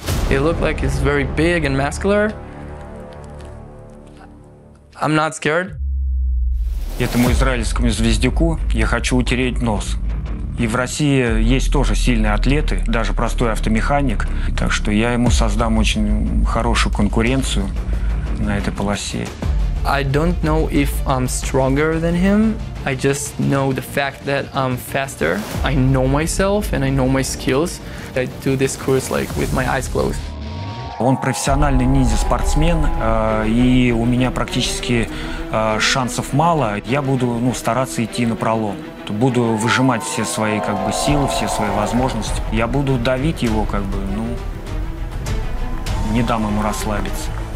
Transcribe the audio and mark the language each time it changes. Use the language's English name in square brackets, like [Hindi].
[English] He looks like he's very big and muscular. I'm not scared. [Russian] Этому израильскому звездюку я хочу утереть нос. И в России есть тоже сильные атлеты, даже простой автомеханик. Так что я ему создам очень хорошую конкуренцию на этой полосе. [English] I don't know if I'm stronger than him. I just know the fact that I'm faster. I know myself and I know my skills. I do this course like with my eyes closed. [Russian] Он профессиональный ниндзя-спортсмен, и у меня практически шансов мало. Я буду, ну, стараться идти напролом. Буду выжимать все свои, как бы, силы, все свои возможности. Я буду давить его, как бы, ну, не дам ему расслабиться.